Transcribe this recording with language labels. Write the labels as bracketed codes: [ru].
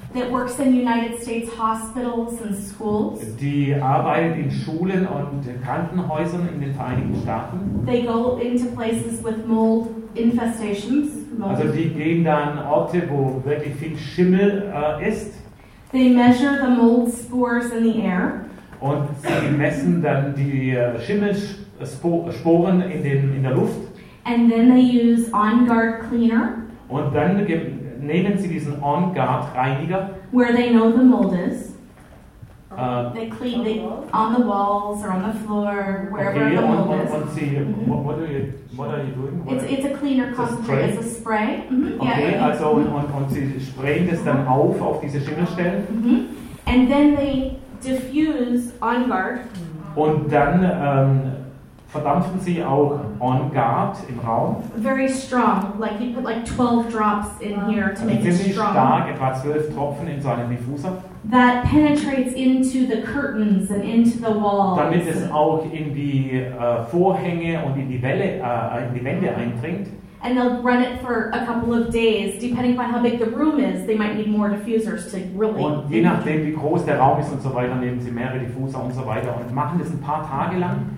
[en] That works in United States hospitals and schools. [de] Die arbeitet in Schulen und Krankenhäusern in den Vereinigten Staaten. [en] They go into places with mold infestations. Mold. [de] Also die gehen dann Orte, wo wirklich viel Schimmel ist. [en] They measure the mold spores in the air. [de] Und sie messen dann die Schimmelsporen in der Luft. [en] And then they use OnGuard cleaner. [de] Und dann nehmen Sie diesen OnGuard Reiniger. [en] Where they know the mold is. They clean the on the walls or on the floor, wherever okay, the mold on, is. On, see, what are you doing? It's a cleaner concentrate. It's a spray. Mm-hmm. Okay, yeah. [de] Also und Sie sprayen das dann auf diese Schimmelstellen. [en] Mm-hmm. And then they diffuse OnGuard. [de] Und dann verdampfen Sie auch OnGuard im Raum? [en] Very strong, like you put like 12 drops in here to make it strong. [de] Ziemlich stark, etwa 12 Tropfen in so einem Diffuser. [en] That penetrates into the curtains and into the walls. [de] Damit es auch in die Vorhänge und in die Wände eindringt. [en] And they'll run it for a couple of days, depending on how big the room is. They might need more diffusers to really. [de] Und je nachdem, wie groß der Raum ist und so weiter, nehmen sie mehrere Diffuser und so weiter und machen das ein paar Tage lang.